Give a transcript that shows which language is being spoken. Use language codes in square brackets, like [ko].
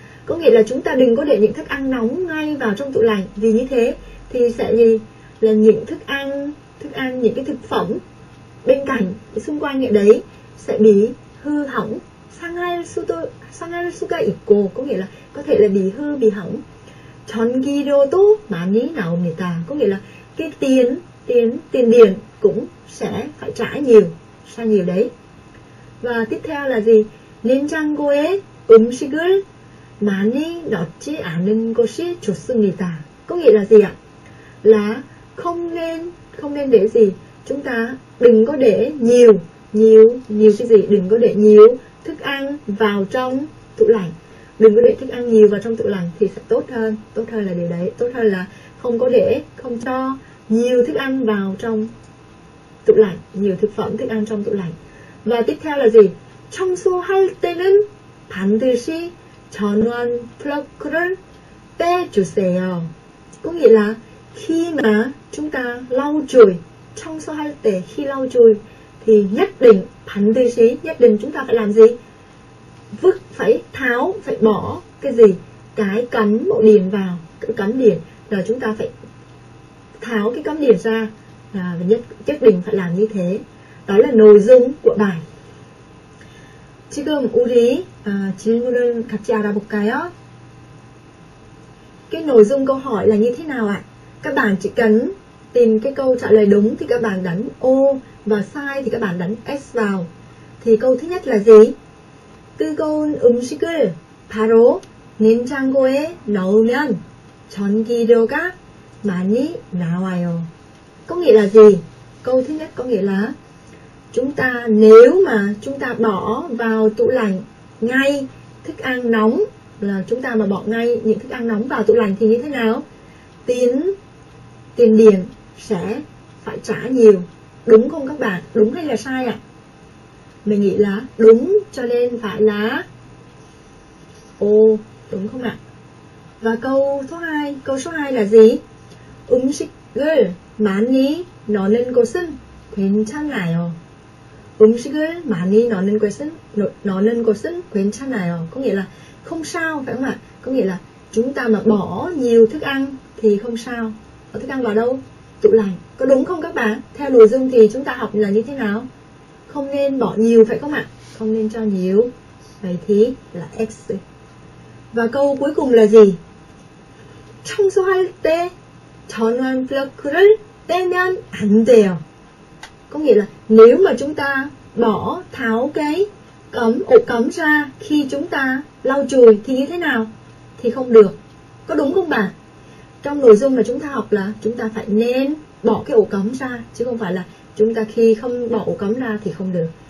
[vi] Có nghĩa là chúng ta đừng có để những thức ăn nóng ngay vào trong tủ lạnh. Vì như thế thì sẽ gì? Là những thức ăn, những cái thực phẩm bên cạnh, xung quanh ở đấy sẽ bị hư hỏng. [ko] 상할 수가 있고, [vi] có nghĩa là có thể là bị hỏng. [ko] 전기료도 많이 나옵니다. [vi] Có nghĩa là cái tiền điện cũng sẽ phải trả nhiều đấy. Và tiếp theo là gì? [ko] 냉장고에 음식을 많이 넣지 않은 것이 좋습니다. [vi] Có nghĩa là gì ạ? Là không nên để gì? Chúng ta đừng có để nhiều cái gì? Đừng có để nhiều thức ăn vào trong tủ lạnh. Đừng có để thức ăn nhiều vào trong tủ lạnh thì sẽ tốt hơn. Tốt hơn là điều đấy. Tốt hơn là không có để, không cho nhiều thức ăn vào trong tủ lạnh, nhiều thực phẩm, thức ăn trong tủ lạnh. Và tiếp theo là gì? [ko] 청소할 때는 반드시 전원 플러그를 빼주세요. [vi] Có nghĩa là khi mà chúng ta lau chùi, [ko] 청소할 때, [vi] khi lau chùi thì nhất định, [ko] 반드시, [vi] nhất định chúng ta phải làm gì? Vứt, phải tháo, phải bỏ cái gì? Cái cắm bộ điện vào, cái cắm điện, rồi chúng ta phải tháo cái cắm điện ra. À, và nhất định phải làm như thế. Đó là nội dung của bài. [ko] 지금 우리 질문을 같이 알아볼까요? [vi] Cái nội dung câu hỏi là như thế nào ạ? Các bạn chỉ cần tìm cái câu trả lời đúng thì các bạn đánh O và sai thì các bạn đánh S vào. Thì câu thứ nhất là gì? [ko] 뜨거운 음식을 바로 냉장고에 넣으면 전기료가 많이 나와요. [vi] Có nghĩa là gì? Câu thứ nhất có nghĩa là chúng ta nếu mà chúng ta bỏ vào tủ lạnh ngay thức ăn nóng, là chúng ta mà bỏ ngay những thức ăn nóng vào tủ lạnh thì như thế nào? Tiền điện sẽ phải trả nhiều. Đúng không các bạn? Đúng hay là sai ạ? Mình nghĩ là đúng, cho nên phải là ồ, đúng không ạ? Và câu số 2 là gì? [ko] 음식을 많이 넣는 것은 괜찮아요. 음식을 많이 넣는 것은 괜찮아요. [vi] Có nghĩa là không sao, phải không ạ? Có nghĩa là chúng ta mà bỏ nhiều thức ăn thì không sao. Bỏ thức ăn vào đâu? Tủ lạnh. Có đúng không các bạn? Theo nội dung thì chúng ta học là như thế nào? Không nên bỏ nhiều, phải không ạ? Không nên cho nhiều. Vậy thì là X. Và câu cuối cùng là gì? [ko] 청소할 때 전원 플러그를 빼면 안 돼요. [vi] Có nghĩa là nếu mà chúng ta bỏ tháo cái cấm ổ cấm ra khi chúng ta lau chùi thì như thế nào? Thì không được. Có đúng không bà? Trong nội dung mà chúng ta học là chúng ta phải nên bỏ cái ổ cấm ra, chứ không phải là chúng ta khi không bỏ ổ cấm ra thì không được.